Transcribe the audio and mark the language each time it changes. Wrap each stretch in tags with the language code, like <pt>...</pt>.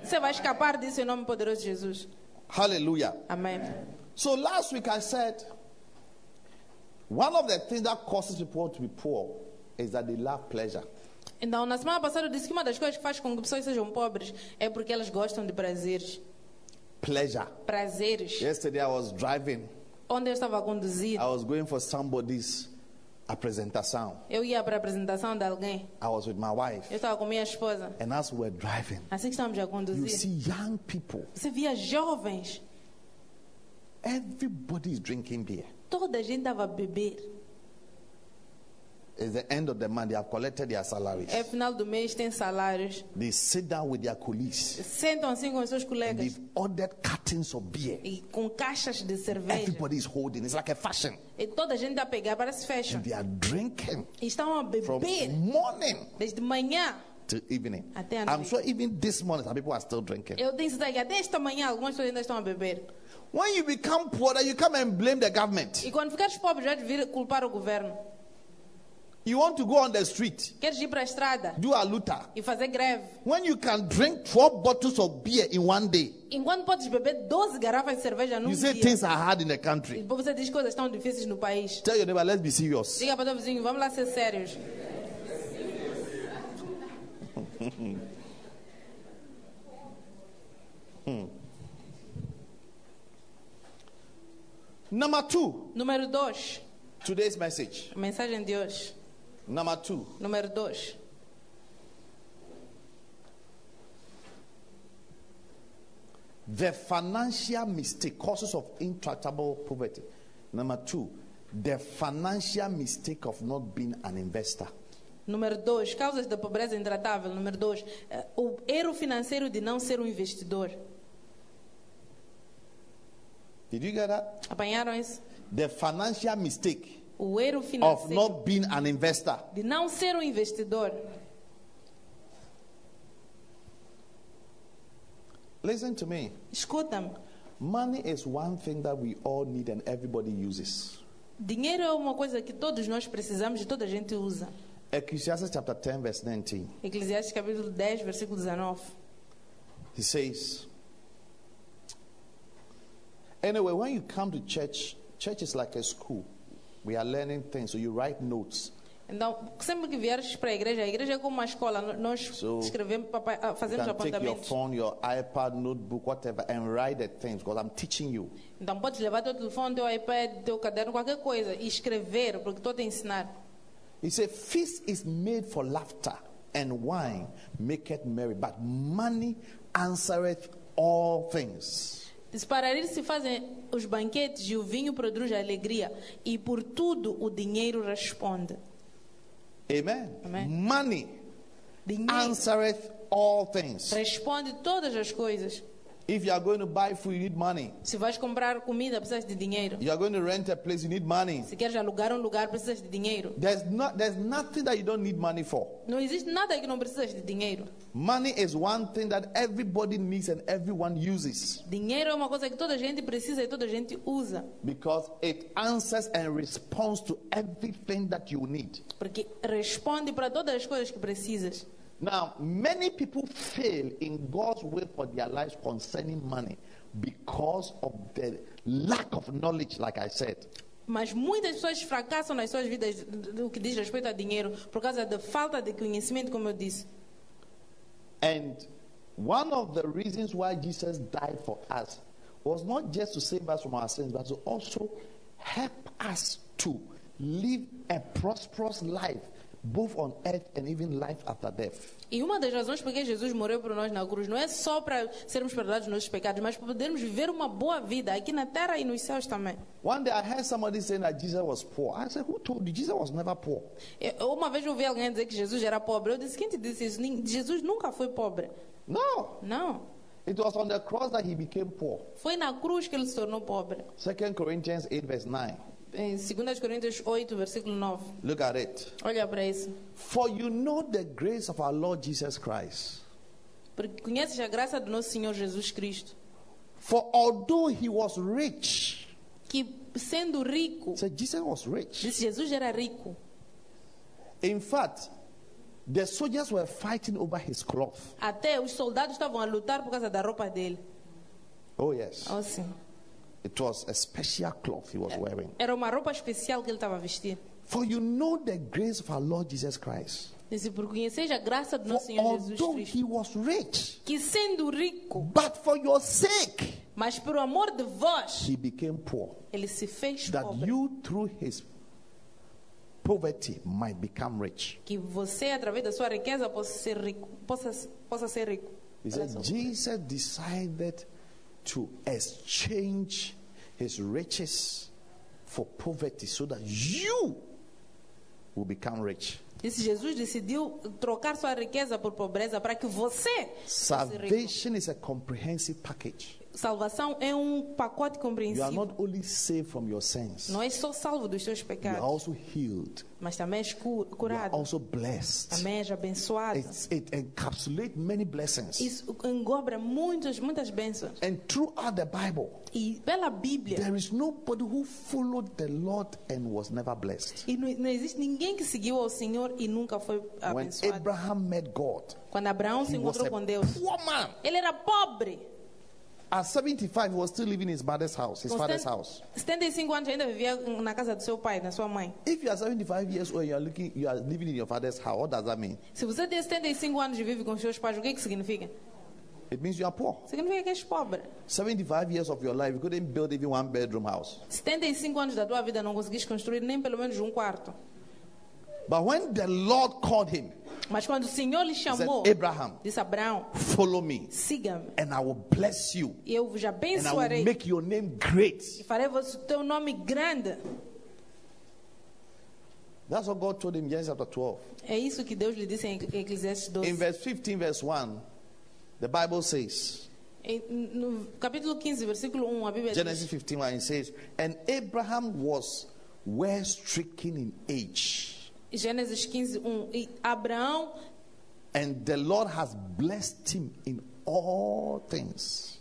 <pt>Você vai escapar disso em nome poderoso de Jesus.</pt> <en>Hallelujah. Amen. So last week I said, one of the things that causes people to be poor is that they lack pleasure.</en> <pt>Então, na semana passada eu disse que uma das coisas que faz com que pessoas sejam pobres é porque elas gostam de prazeres.</pt> <en>Pleasure.</en> <pt>Prazeres.</pt> <en>Yesterday I was driving.</en> <pt>Onde eu estava a conduzir.</pt> <en>I was going for somebody's apresentação.</en> <pt>Eu ia para a apresentação de alguém.</pt> <en>I was with my wife.</en> <pt>Eu estava com minha esposa.</pt> <en>And as we were driving,</en> <pt>assim que estávamos a conduzir,</pt> <en>you see young people.</en> <pt>Você via jovens.</pt> <en>Everybody is drinking beer.</en> <pt>Toda a gente estava a beber.</pt> <en>It's the end of the month. They have collected their salaries.</en> <pt>É final do mês, tem salários.</pt> <en>They sit down with their colleagues.</en> <pt>Sentam-se com seus colegas.</pt> <en>And they've ordered cartons of beer.</en> <pt>E com caixas de cerveja.</pt> <en>Everybody is holding. It's like a fashion.</en> <pt>E toda a gente está a pegar, parece fashion.</pt> <en>And they are drinking.</en> <pt>E estão a beber.</pt> <en>From morning.</en> <pt>Desde manhã.</pt> <en>To evening.</en> <pt>Até</pt> <en>I'm sure even this morning, some people are still drinking.</en> <pt>Eu tenho certeza que até esta manhã, algumas pessoas ainda estão a beber.</pt> <en>When you become poor, you come and blame the government.</en> <pt>E quando ficares pobre, já devia culpar o governo.</pt> <en>You want to go on the street.</en> <pt>Queres ir para a estrada?</pt> <en>Do a luta.</en> <pt>E fazer greve.</pt> <en>When you can drink 4 bottles of beer in one day.</en> <pt>Enquanto podes beber 12 garrafas de cerveja num dia.</pt> <en>You say things are hard in the country.</en> <pt>E você diz coisas tão difíceis no país.</pt> <en>Tell your neighbor, let's be serious.</en> <pt>Diga para o vizinho, vamos lá ser sérios.</pt> <en>Number 2.</en> <pt>Número 2.</pt> <en>Today's message.</en> <pt>A mensagem de hoje.</pt> <en>Number 2.</en> <pt>Número 2.</pt> <en>The financial mistake, causes of intractable poverty. Number 2. The financial mistake of not being an investor.</en> <pt>Número 2. Causas da pobreza intratável. Número 2. O erro financeiro de não ser um investidor.</pt> <en>Did you get that?</en> <pt>Apanharam isso?</pt> <en>The financial mistake.</en> <pt>O erro financeiro</pt> <en>of not being an investor.</en> <pt>De não ser um investidor.</pt> <en>Listen to me.</en> <pt>Escuta-me.</pt> <en>Money is one thing that we all need and everybody uses.</en> <pt>Dinheiro é uma coisa que todos nós precisamos e toda a gente usa.</pt> <en>Ecclesiastes chapter 10 verse 19.</en> <pt>Eclesiastes capítulo 10 versículo 19.</pt> <en>He says, anyway, when you come to church, church is like a school. We are learning things, so you write notes.</en> <pt>Então, sempre que vieres para a igreja é como uma escola. Nós so escrevemos, fazemos apontamentos.</pt> <en>Take your phone, your iPad, notebook, whatever, and write the things, because I'm teaching you.</en> <pt>Então, podes levar teu telefone, teu iPad, teu caderno, qualquer coisa, e escrever, porque estou a te ensinar.</pt> <en>He said, feast is made for laughter, and wine maketh merry, but money answereth all things.</en> <pt>Para ele se fazem os banquetes e o vinho produz a alegria e por tudo o dinheiro responde.</pt> <en>Amen.</en> <pt>Amen.</pt> <en>Money</en> <pt>dinheiro</pt> <en>answereth all things.</en> <pt>Responde todas as coisas.</pt> <en>If you are going to buy food, you need money.</en> <pt>Se vais comprar comida, precisas de dinheiro.</pt> <en>You are going to rent a place, you need money.</en> <pt>Se queres alugar lugar, precisas de dinheiro.</pt> <en>There's nothing that you don't need money for.</en> <pt>Não existe nada que não precisas de dinheiro.</pt> <en>Money is one thing that everybody needs and everyone uses.</en> <pt>Dinheiro é uma coisa que toda gente precisa e toda gente usa.</pt> <en>Because it answers and responds to everything that you need.</en> <pt>Porque responde para todas as coisas que precisas.</pt> <en>Now, many people fail in God's will for their lives concerning money because of the lack of knowledge, like I said.</en> <pt>Mas muitas pessoas fracassam nas suas vidas no que diz respeito a dinheiro por causa da falta de conhecimento, como eu disse.</pt> <en>And one of the reasons why Jesus died for us was not just to save us from our sins, but to also help us to live a prosperous life, both on earth and even life after death.</en> <pt>E uma das razões por que Jesus morreu por nós na cruz não é só para sermos perdoados nossos pecados, mas para podermos viver uma boa vida aqui na terra e nos céus também.</pt> <en>One day I heard somebody saying that Jesus was poor. I said, who told you? Jesus was never poor.</en> <pt>Uma vez eu ouvi alguém dizer que Jesus era pobre. Eu disse, quem te disse isso? Jesus nunca foi pobre.</pt> <en>No.</en> <pt>No.</pt> <en>It was on the cross that he became poor.</en> <pt>Foi na cruz que ele se tornou pobre.</pt> <en>2 Corinthians 8 verse 9.</en> <pt>Em 2 Coríntios 8, versículo 9.</pt> <en>Look at it.</en> <pt>Olha para isso.</pt> <en>For you know the grace of our Lord Jesus Christ.</en> <pt>Porque conheces a graça do nosso Senhor Jesus Cristo.</pt> <en>For although he was rich.</en> <pt>Que sendo rico.</pt> <en>So Jesus was rich.</en> <pt>Disse Jesus era rico.</pt> <en>In fact, the soldiers were fighting over his cloth.</en> <pt>Até os soldados estavam a lutar por causa da roupa dele.</pt> <en>Oh yes.</en> <pt>Oh sim.</pt> <en>It was a special cloth he was wearing.</en> <pt>Era uma roupa especial que ele estava vestindo.</pt> <en>For you know the grace of our Lord Jesus Christ.</en> <pt>Disse, por conheceres a graça do nosso Senhor Jesus Cristo. For</pt> <en>although he was rich.</en> <pt>Que sendo rico.</pt> <en>But for your sake.</en> <pt>Mas por amor de vós.</pt> <en>He became poor.</en> <pt>Ele se fez</pt> <en>that</en> <pt>pobre.</pt> <en>That you through his poverty might become rich.</en> <pt>Que você através da sua riqueza possa ser rico. Possa ser rico.</pt> <en>He said, Jesus decided to exchange his riches for poverty so that you will become rich.</en> <pt>Esse Jesus decidiu trocar sua riqueza por pobreza para que você</pt> <en>salvation is a comprehensive package.</en> <pt>Salvação é um pacote compreensivo.</pt> <en>You are not only saved from your sins.</en> <pt>Não é só salvo dos seus pecados.</pt> <en>You are also healed.</en> <pt>Mas também és curado.</pt> <en>You are also blessed.</en> <pt>Também és abençoado.</pt> <en>It encapsulates many blessings.</en> <pt>Isso engloba muitas bênçãos.</pt> <en>And throughout the Bible.</en> <pt>E pela Bíblia.</pt> <en>There is nobody who followed the Lord and was never blessed.</en> <pt>E não existe ninguém que seguiu ao Senhor e nunca foi abençoado.</pt> <en>When Abraham met God.</en> <pt>Quando Abraão se encontrou com Deus.</pt> <en>Poor man.</en> <pt>Ele era pobre.</pt> <en>At 75, he was still living in his mother's house, his father's house.</en> <pt>75 anos ainda vivia na casa do seu pai, na sua mãe.</pt> <en>If you are 75 years old, you are living in your father's house. What does that mean?</en> <pt>Se você tem 75 anos e vive com seus pais, o que significa?</pt> <en>It means you are poor.</en> <pt>Significa que és pobre.</pt> <en>75 years of your life, you couldn't build even one bedroom house.</en> <pt>75 anos da tua vida não conseguiste construir nem pelo menos quarto.</pt> <en>But when the Lord called him,</en> <pt>mas quando o Senhor lhe chamou,</pt> <en>said, Abraham,</en> <pt>disse Abraão,</pt> <en>follow me,</en> <pt>siga-me,</pt> <en>and I will bless you,</en> <pt>e eu vos abençoarei,</pt> <en>and I will make your name great,</en> <pt>e farei o teu nome grande.</pt> <en>That's what God told him in Genesis chapter 12.</en> <pt>É isso que Deus lhe disse em Eclesiastes 12.</pt> <en>In verse 15, verse 1, the Bible says.</en> <pt>No capítulo 15, versículo 1, a Bíblia</pt> <en>Genesis 15, verse 1 says, and Abraham was well stricken in age.</en> <pt>Gênesis 15, 1. E Abraão.</pt> <en>And the Lord has blessed him in all things.</en>